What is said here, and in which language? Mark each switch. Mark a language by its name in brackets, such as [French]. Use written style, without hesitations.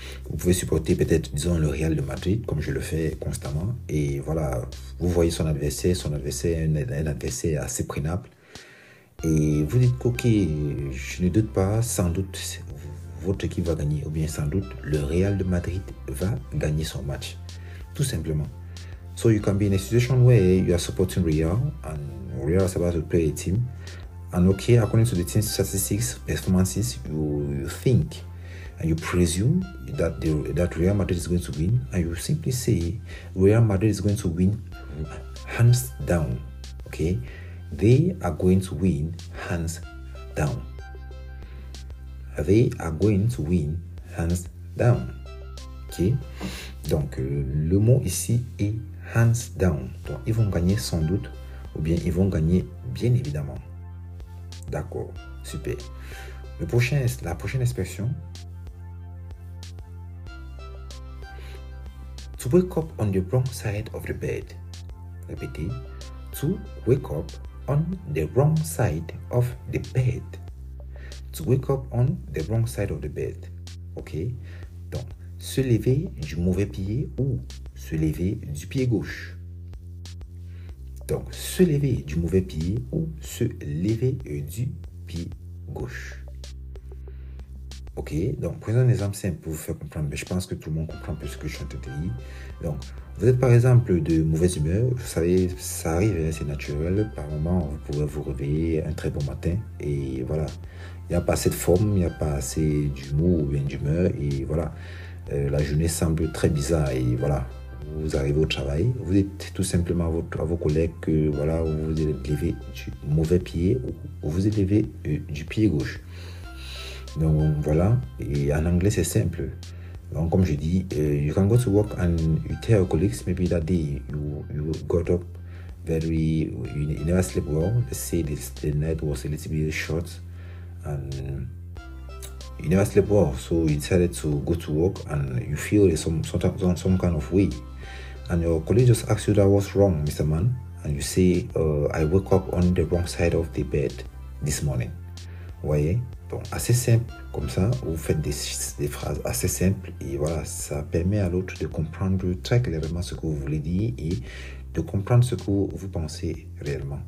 [French] Vous pouvez supporter peut-être, disons, le Real de Madrid, comme je le fais constamment. Et voilà, vous voyez son adversaire est un adversaire assez prenable. Et vous dites qu'ok, je ne doute pas, sans doute, votre équipe va gagner. Ou bien sans doute, le Real de Madrid va gagner son match. Tout simplement. [English] So you can be in a situation where you are supporting Real, and Real is about to play a team. And ok, according to the team's statistics, performances, you think... And you presume that that Real Madrid is going to win, and you simply say Real Madrid is going to win hands down. Okay, they are going to win hands down. They are going to win hands down. [French] Okay, donc le mot ici est [English] hands down. [French] Donc ils vont gagner sans doute, ou bien ils vont gagner bien évidemment. D'accord, super. La prochaine expression. [English] To wake up on the wrong side of the bed. [French] Répétez. [English] To wake up on the wrong side of the bed. To wake up on the wrong side of the bed. Ok. [French] Donc, se lever du mauvais pied ou se lever du pied gauche. Donc, se lever du mauvais pied ou se lever du pied gauche. Ok, donc prenons un exemple simple pour vous faire comprendre, mais je pense que tout le monde comprend plus ce que je suis en train de dire. Donc, vous êtes par exemple de mauvaise humeur, vous savez, ça arrive, c'est naturel. Par moment, vous pouvez vous réveiller un très bon matin et voilà. Il n'y a pas assez de forme, il n'y a pas assez d'humour ou bien d'humeur et voilà. La journée semble très bizarre et voilà. Vous arrivez au travail, vous dites tout simplement à vos collègues que voilà, vous vous élevez du mauvais pied ou vous vous élevez du pied gauche. Donc voilà, et en anglais c'est simple. Donc comme je dis, [English] you can go to work and you tell your colleagues maybe that day you got up very, you never slept well. Let's say the night was a little bit short and you never slept well. So you decided to go to work and you feel some kind of way. And your colleague just asks you that was wrong, Mr. Man. And you say, I woke up on the wrong side of the bed this morning. [French] Voyez? Donc, assez simple comme ça, vous faites des phrases assez simples et voilà, ça permet à l'autre de comprendre très clairement ce que vous voulez dire et de comprendre ce que vous pensez réellement.